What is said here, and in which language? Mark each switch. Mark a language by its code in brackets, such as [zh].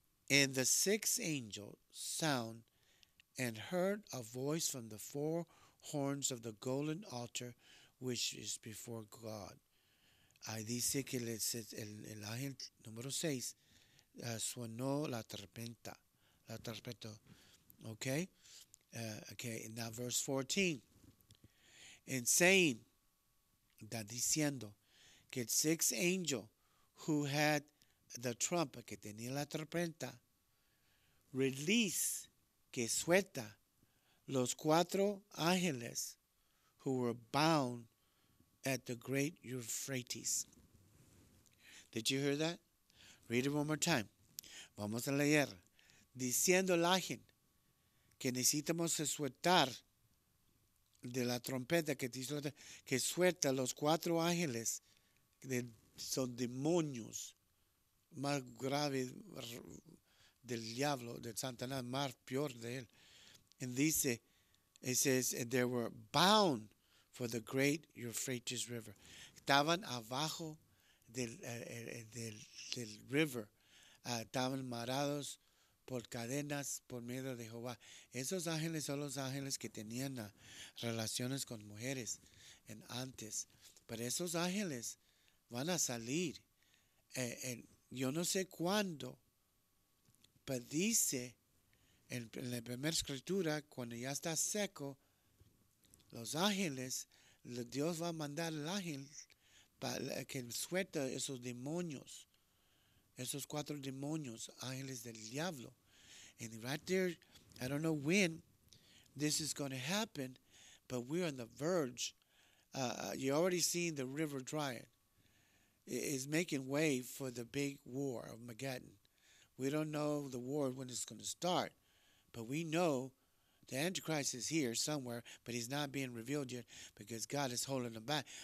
[en] And the sixth angel sound and heard a voice from the four horns of the golden altar, which is before God. [es] Ahí dice que el ángel número 6 suenó la trompeta. La trompeta. Okay. Okay. [en] And now verse 14. And saying, [es] está diciendo que el [en] sixth angel who had the trumpet, [es] que tenía la trompeta, [en] release, [es] que suelta, los cuatro ángeles [en] who were bound at the great Euphrates. Did you hear that? Read it one more time. [es] Vamos a leer. Diciendo el ángel que necesitamos sueltar de la trompeta que dice que suelta los cuatro ángeles que son demonios más graves del diablo, de Satanás, más peor de él. [en] And dice, it says, and they were bound for the great Euphrates River. [es] Estaban abajo del river. Estaban amarrados por cadenas, por miedo de Jehová. Esos ángeles son los ángeles que tenían relaciones con mujeres en antes. Pero esos ángeles van a salir. Yo no sé cuándo, pero dice en la primera escritura, cuando ya está seco, los ángeles, Dios va a mandar al ángel para que suelte esos demonios, esos cuatro demonios, ángeles del diablo. [en] And right there, I don't know when this is going to happen, but we're on the verge. You already seen the river drying. It's making way for the big war of Armageddon. We don't know the war when it's going to start, but we know the Antichrist is here somewhere, but he's not being revealed yet because God is holding him back.